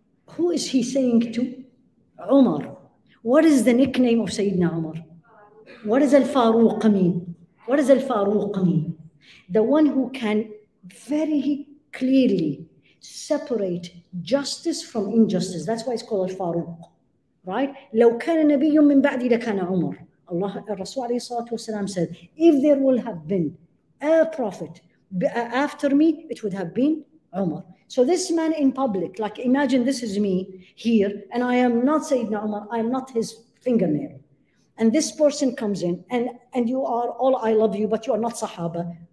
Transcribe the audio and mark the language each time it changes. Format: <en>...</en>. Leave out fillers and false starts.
<en>Who is he saying to? Umar. What is the nickname of Sayyidina Umar? What is al-Faruq mean? What does al-Faruq mean? The one who can very clearly separate justice from injustice. That's why it's called al-Faruq. Right?</en> <ar>لو كان نبي من بعدي لكان عمر.</ar> <en>Allah, Rasul alayhi salatu wasalam said, if there will have been a prophet after me, it would have been Umar. So this man in public, like imagine this is me here, and I am not Sayyidina Umar, I am not his fingernail. And this person comes in, and you are all, I love you, but you are not Sahaba.</en>